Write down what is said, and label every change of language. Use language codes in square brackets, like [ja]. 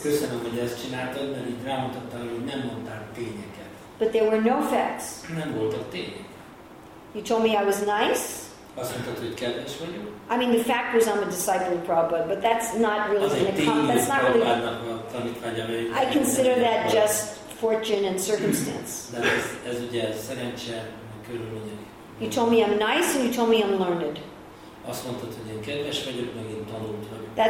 [hu] Köszönöm, hogy ezt csináltad, mert így rámutattál, hogy nem mondtál tényeket. [en] But there were no facts. [hu] Nem voltak tények. [en] You told me I was nice. [hu] Azt mondtad, hogy kedves vagyok. [en] I mean, the fact was I'm a disciple of Prabhupada, but that's not really an account. That's not really. [hu] Tanítványa, [en] I consider that just fortune and circumstance. [hu] Ez ugye szerencse, körülmények. [en] You told me I'm nice, and you told me I'm learned. [hu] Azt mondtad, hogy én kedves vagyok, meg én tanult vagyok.